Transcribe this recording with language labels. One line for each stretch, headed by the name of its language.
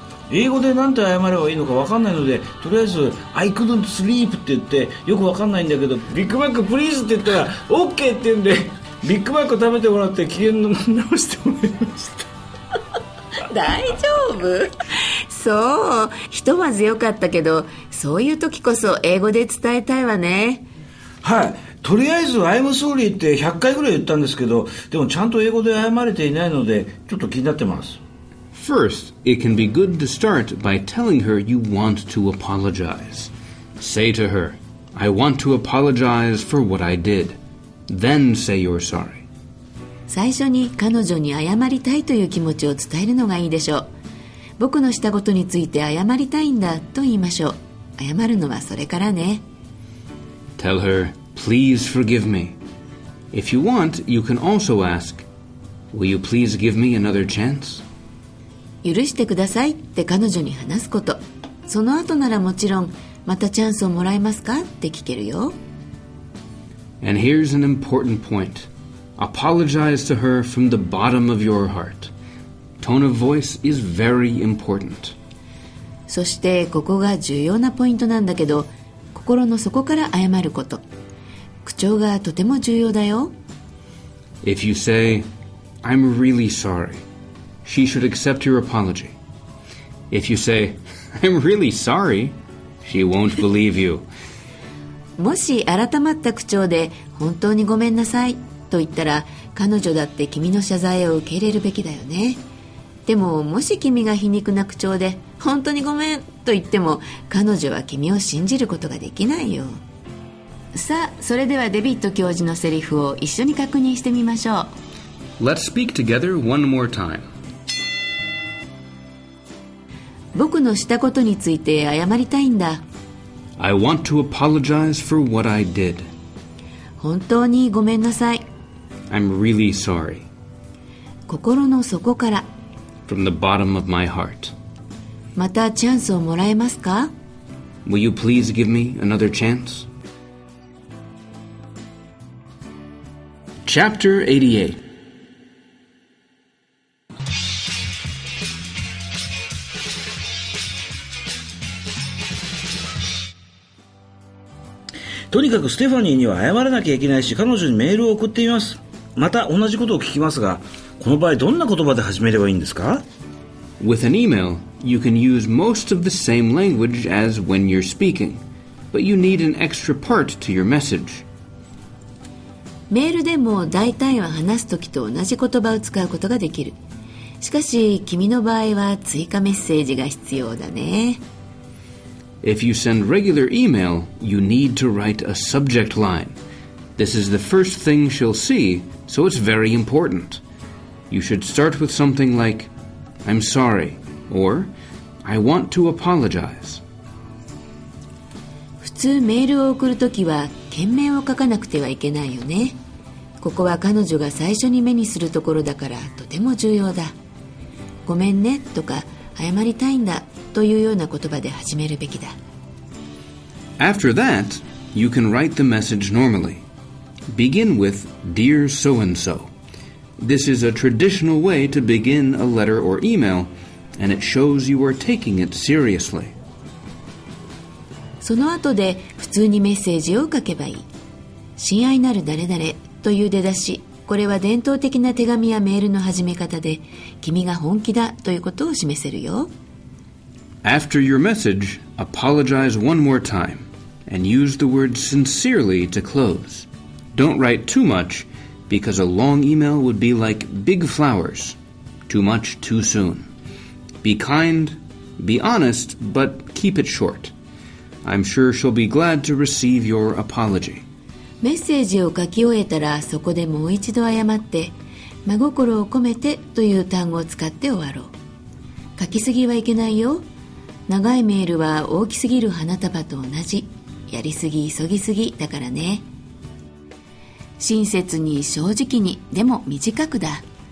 Japanese: 英語でなんて謝ればいいのか分かんないので、とりあえず
English: I couldn't sleep
Japanese: って言って、よく分かんないんだけどビッグマックプリーズって言ったら OK って言うんで、ビッグマック食べてもらって機嫌の直してもらいました。大丈夫？そう、ひとまずよかったけど、そういう時こそ英語で伝えたいわね。はい、とりあえず
English: I'm sorry
Japanese: って100回ぐらい言ったんですけど、でもちゃんと英語で謝れていないのでちょっと気になってます。
English: First, it can be good to start by telling her you want to apologize. Say to her, I want to apologize for what I did. Then say you're sorry.
Japanese: 最初に彼女に謝りたいという気持ちを伝えるのがいいでしょう。僕のしたことについて謝りたいんだと言いましょう。謝るのはそれからね。
English: Tell her, please forgive me. If you want, you can also ask, will you please give me another chance?
Japanese: 許してくださいって彼女に話すこと。その後ならもちろん、またチャンスをもらえますかって聞けるよ。
English: And here's an important point. Apologize to her from the bottom of your heart. Tone of voice is very important.
Japanese: そしてここが重要なポイントなんだけど、心の底から謝ること、口調がとても重要だよ。
English: If you say, I'm really sorryShe should accept your apology. If you say, I'm really sorry, she won't believe you.
Japanese: もし改まった口調で本当にごめんなさいと言ったら、彼女だって君の謝罪を受け入れるべきだよね。でももし君が皮肉な口調で本当にごめんと言っても、彼女は君を信じることができないよ。さあ、それではデビッド教授のセリフを一緒に確認してみましょう。
English: Let's speak together one more time.
Japanese: 僕のしたことについて謝りたいんだ。
English: I want to apologize for what I did.
Japanese: 本当にごめんなさい。
English: I'm really sorry.
Japanese: 心の底から。
English: From the bottom of my heart.
Japanese: またチャンスをもらえますか?
English: Will you please give me another chance? Chapter 88
Japanese: とにかくステファニーには謝らなきゃいけないし、彼女にメールを送ってみます。また同じことを聞きますが、この場合どんな言葉で始めればいいんですか？
English: With an email, you can use most of the same language as when you're speaking, but you need an extra part to your message.
Japanese: メールでも大体は話すときと同じ言葉を使うことができる。しかし君の場合は追加メッセージが必要だね。
English: If you send regular email, you need to write a subject line. This is the first thing she'll see, so it's very important. You should start with something like, I'm sorry, or I want to apologize.
Japanese: 普通メールを送るときは件名を書かなくてはいけないよね。ここは彼女が最初に目にするところだからとても重要だ。ごめんねとか謝りたいんだというような言葉で始めるべきだ。
English: After that, you can write the message normally. Begin with Dear so-and-so. This is a traditional way to begin a letter or email, and it shows you are taking it seriously.
Japanese: その後で普通にメッセージを書けばいい。親愛なる誰々という出だし、これは伝統的な手紙やメールの始め方で、君が本気だということを示せるよ。
English: After your message, apologize one more time and use the word sincerely to close. Don't write too much because a long email would be like big flowers. Too much too soon. Be kind, be honest, but keep it short. I'm sure she'll be glad to receive your apology.
Japanese: メッセージを書き終えたらそこでもう一度謝って、真心を込めてという単語を使って終わろう。書きすぎはいけないよ。長いメールは大きすぎる花束と同じ。やりすぎ急ぎすぎだからね。親切に正直に、でも短くだ。